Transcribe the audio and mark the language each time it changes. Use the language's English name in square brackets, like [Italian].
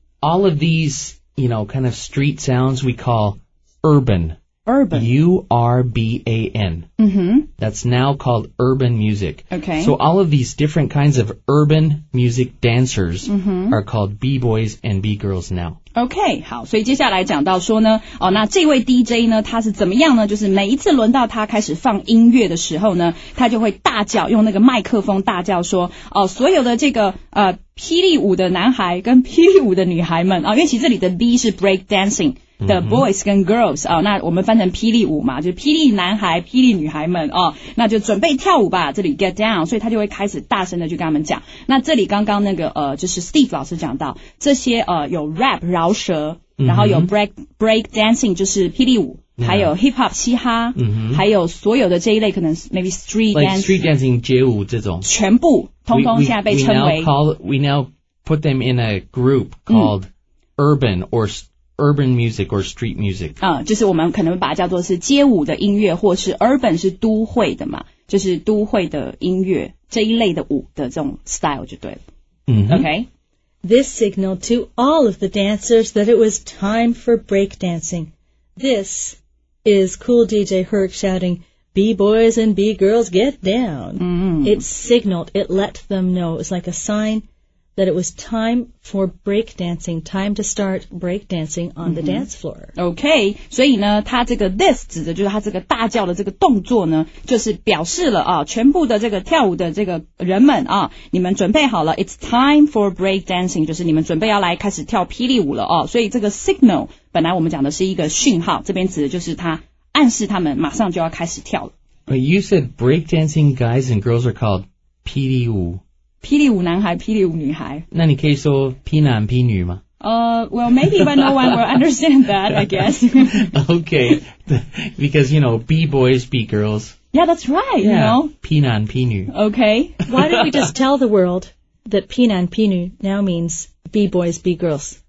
[English] all of these, you know, kind of street sounds we call urban. Urban. U-R-B-A-N. Mm-hmm. That's now called urban music. Okay. So all of these different kinds of urban music dancers, mm-hmm, are called B-boys and B-girls now. [Chinese] Okay, 好，所以接下来讲到说呢，哦，那这位 DJ 呢，他是怎么样呢？就是每一次轮到他开始放音乐的时候呢，他就会大叫，用那个麦克风大叫说，哦，所有的这个霹雳舞的男孩跟霹雳舞的女孩们，哦，因为其实这里的 B 是 break dancing。 [English] The boys [Chinese] 跟 girls 啊，那我们翻成霹雳舞嘛，就霹雳男孩、霹雳女孩们啊，那就准备跳舞吧。这里 get down， 所以他就会开始大声的去跟他们讲。那这里刚刚那个就是 Steve 老师讲到这些有 rap 饶舌，然后有 break dancing 就是霹雳舞。 [English] Yeah. [Chinese] 还有 hip-hop 嘻哈、 [English] mm-hmm. [Chinese] 还有所有的这一类可能 [English] maybe street dancing like street dancing [Chinese] 街舞这种全部通通现在被称为 [English] we now put them in a group called、mm. urban music or street music [Chinese] 就是我们可能把它叫做是街舞的音乐或是 urban 是都会的嘛就是都会的音乐这一类的舞的这种 style 就对了、 [English] mm-hmm. OK This signaled to all of the dancers that it was time for break dancingThis is cool DJ Herc shouting, B-boys and B-girls, get down. Mm-hmm. It signaled, it let them know. It was like a sign that it was time for breakdancing, time to start breakdancing on、mm-hmm. the dance floor. [Chinese] Okay, 所以呢他这个 this 指的就是他这个大叫的这个动作呢就是表示了啊全部的这个跳舞的这个人们啊你们准备好了 [English] it's time for breakdancing, [Chinese] 就是你们准备要来开始跳霹雳舞了啊所以这个 signal,本来我们讲的是一个讯号，这边指的就是他暗示他们马上就要开始跳了。 [English] But you said breakdancing guys and girls are called 霹雳舞。 [Chinese] 霹雳舞男孩，霹雳舞女孩。那你可以说霹男霹女吗？ [English] Well, maybe but no one will understand that, I guess. Okay, because, you know, B-boys, B-girls. Yeah, that's right, yeah. You know. [Chinese] 霹男霹女。 [English] Okay. Why don't we just tell the world that 霹男霹女 now means B-boys, B-girls?